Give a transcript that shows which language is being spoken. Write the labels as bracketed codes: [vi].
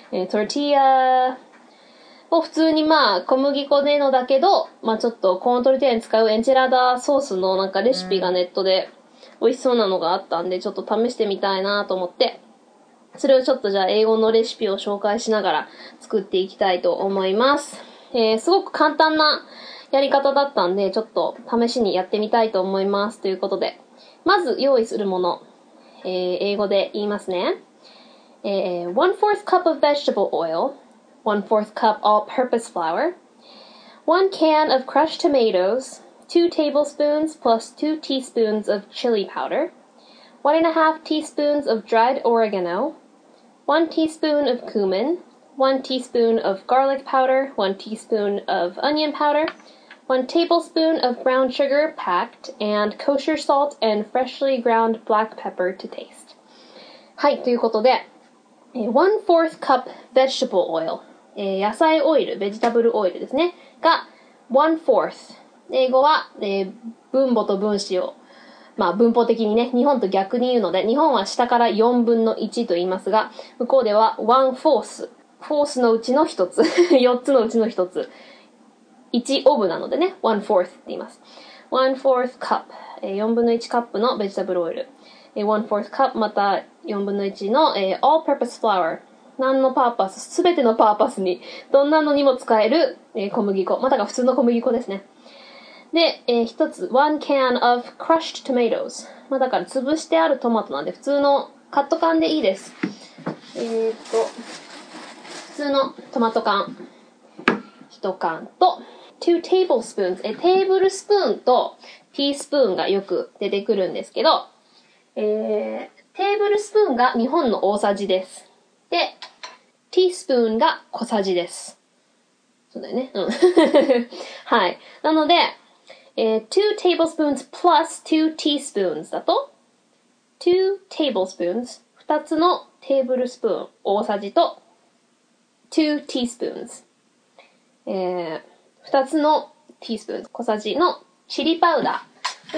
[ja] トルティーヤを普通にまあ、小麦粉でのだけど、まあちょっとコーントルティーヤに使うエンチェラダソースのなんかレシピがネットで美味しそうなのがあったんで、ちょっと試してみたいなと思って、それをちょっとじゃあ英語のレシピを紹介しながら作っていきたいと思います。すごく簡単なやり方だったんで、ちょっと試しにやってみたいと思います。ということで、まず用意するもの、英語で言いますね。 [en] 1/4 cup of vegetable oil, 1/4 cup all-purpose flour, 1 can of crushed tomatoes, 2 tablespoons plus 2 teaspoons of chili powder,1.5 teaspoons of dried oregano, 1 teaspoon of cumin, 1 teaspoon of garlic powder, 1 teaspoon of onion powder, 1 tablespoon of brown sugar packed, and kosher salt and freshly ground black pepper to taste. [ja] はい、ということで、 [en] 1/4 cup vegetable oil、 [ja] 野菜オイル、ベジタブルオイルですね、が 1/4、 英語は、分母と分子を、まあ文法的にね、日本と逆に言うので、日本は下から4分の1と言いますが、向こうでは1/4。 4のうちの1つ。4つのうちの1つ。1オブなのでね、1/4って言います。 [en] 1/4 cup。 [ja] 4分の1カップのベジタブルオイル。 [en] 1/4 cup、 [ja] また4分の1の [en] all purpose flour。 [ja] 何のパーパス、すべてのパーパスに、どんなのにも使える小麦粉。またが普通の小麦粉ですね。で、一つ、 [en] one can of crushed tomatoes。 [ja] まあだから潰してあるトマトなんで、普通のカット缶でいいです。普通のトマト缶。一缶と、 [en] two tablespoons。 [ja] テーブルスプーンとティースプーンがよく出てくるんですけど、テーブルスプーンが日本の大さじです。で、ティースプーンが小さじです。そうだよね。うん。はい。なので、 [en] two tablespoons plus two teaspoons [ja] だと、 [en] two tablespoons、 [ja] 二つのテーブルスプーン、大さじと、 [en] two teaspoons、 [ja] 二つのティースプーン、小さじのチリパウダー。